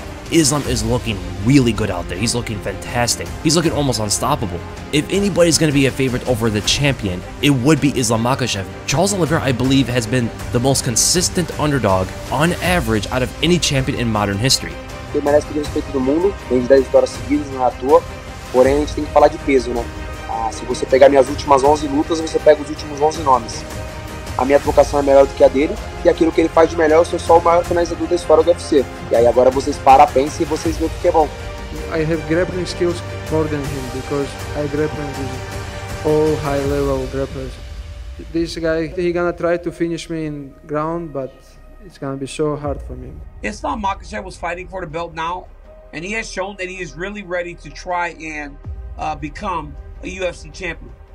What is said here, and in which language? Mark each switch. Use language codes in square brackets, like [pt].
[en] Islam is looking really good out there. He's looking fantastic. He's looking almost unstoppable. If anybody's going to be a favorite over the champion, it would be Islam Makhachev. Charles Oliveira, I believe, has been the most consistent underdog on average out of any champion in modern history. [pt] He merece todo o respeito do mundo. Tem 10 vitórias seguidas na tua. Porém, a gente tem que falar de peso, né? Ah, se você pegar minhas últimas 11 lutas, você pega os últimos 11 nomes. A minha trocação é melhor do que a dele, e aquilo que ele faz de melhor, eu sou só o maior finalizador da história do UFC. E aí agora vocês param, pensem e vocês veem o que é bom. [en] I have grappling skills more than him, because I grapple with all high-level grapplers. This guy, he gonna try to finish me in ground, but it's gonna be so hard for me. Islam Makhachev was fighting for the belt now, and he has shown that he is really ready to try and become a UFC champion.